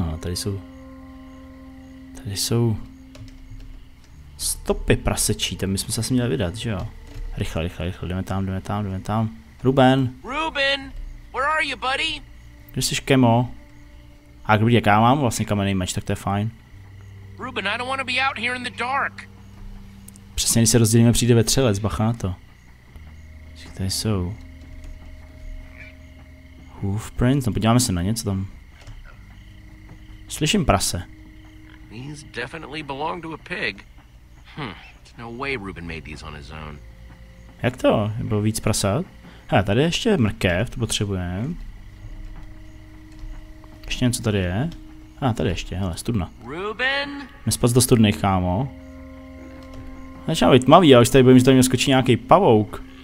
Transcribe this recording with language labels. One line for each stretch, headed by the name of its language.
Czech: Tady jsou stopy prasečí, tam bychom se asi měli vydat, že jo? Rychle, jdeme tam. Ruben!
English: Where are you, buddy?
Czech: Kde jsi, Kemo? A kdyby jak já mám vlastně kamenej meč, tak to je fajn.
English: Ruben, I don't want to be out here in the dark.
Czech: Přesně, když se rozdělíme, přijde vetřelec, bacha na to. Tady jsou...
English: Hoof prints,
Czech: no podíváme se na něco tam. Slyším prase.
English: These definitely belong to a pig. There's no way Ruben made these on his own.
Czech: Jak to? Bylo víc prasat? Hele, tady ještě mrkev, to potřebujeme. Ještě něco tady je. Tady ještě, hele, studna. Ruben? Nespat do studny, kámo. Začíná být tmavý, ale už tady bojím, že tady mě skočí nějaký pavouk.